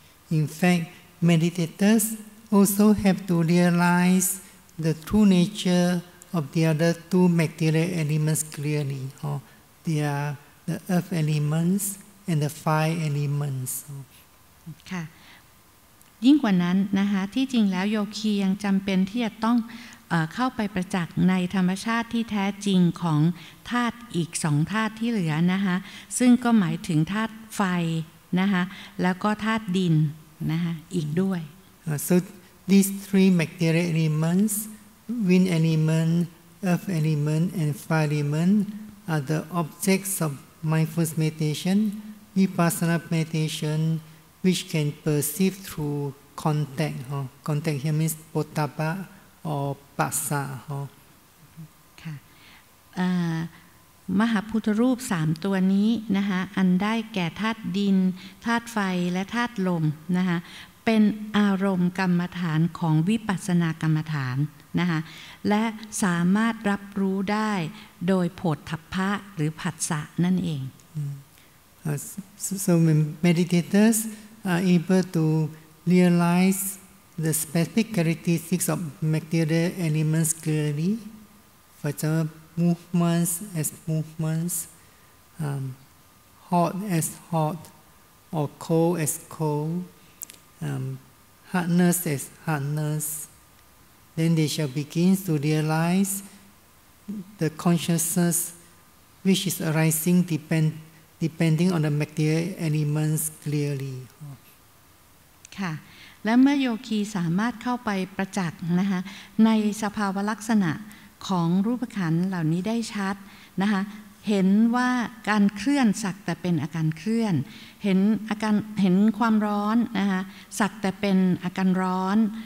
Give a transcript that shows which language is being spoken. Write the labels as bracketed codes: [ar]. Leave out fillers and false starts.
[en] In fact, meditators also have to realize the true nature of the other two material elements clearly. They are the earth elements and the fire elements. [th] ค่ะยิ่งกว่านั้นนะคะที่จริงแล้วโยคียังจำเป็นที่จะต้องเข้าไปประจักษ์ในธรรมชาติที่แท้จริงของธาตุอีกสองธาตุที่เหลือนะคะซึ่งก็หมายถึงธาตุไฟนะคะแล้วก็ธาตุดินนะคะอีกด้วย [en] so these three material elements wind element earth element and fire element are the objects of mindfulness meditation vipassana meditation which can perceive through contact contact here means potapaปัสสะ [th] ค่ะมหาพุทธรูปสามตัวนี้นะคะอันได้แก่ธาตุดินธาตุไฟและธาตุลมนะคะเป็นอารมณ์กรรมฐานของวิปัสสนากรรมฐานนะคะและสามารถรับรู้ได้โดยโผฏฐัพพะหรือผัสสะนั่นเอง [en] so meditators are able to realizeThe specific characteristics of material elements clearly, for example, movements as movements, hot as hot, or cold as cold, hardness as hardness, then they shall begin to realize the consciousness which is arising depending on the material elements clearly. [th] ค่ะและเมื่อโยคีสามารถเข้าไปประจักษ์นะคะในสภาวะลักษณะของรูปขันธ์เหล่านี้ได้ชัดนะคะเห็นว่าการเคลื่อนสักแต่เป็นอาการเคลื่อนเห็นอาการเห็นความร้อนนะคะสักแต่เป็นอาการร้อน